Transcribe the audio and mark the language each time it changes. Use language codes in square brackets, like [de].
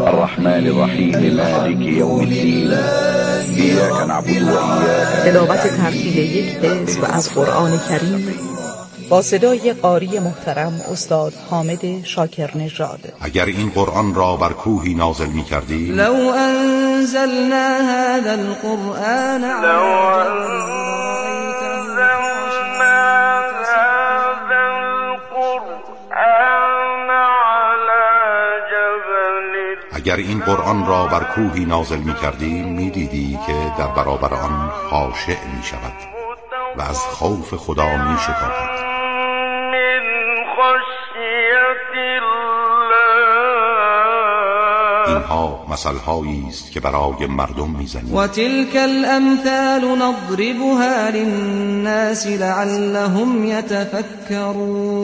[ar] الرحمن الرحیم. مالک یوم الدین. اياك نعبد و اياك نستعين. [fa] تلاوت ترتیل یک حزب از قرآن کریم با صدای قاری محترم استاد حامد شاکرنژاد. اگر این قرآن را بر کوهی نازل می کردیم، [ar] لو انزلنا هذا القرآن على جبل، [fa] اگر این قرآن را بر کوهی نازل می کردیم، می دیدی که در برابر آن خاشع می شود و از خوف خدا می شکافد. اینها مثل هایی است که برای مردم میزنیم. [ar] و تلك الامثال نضربها للناس لعلهم يتفكرون،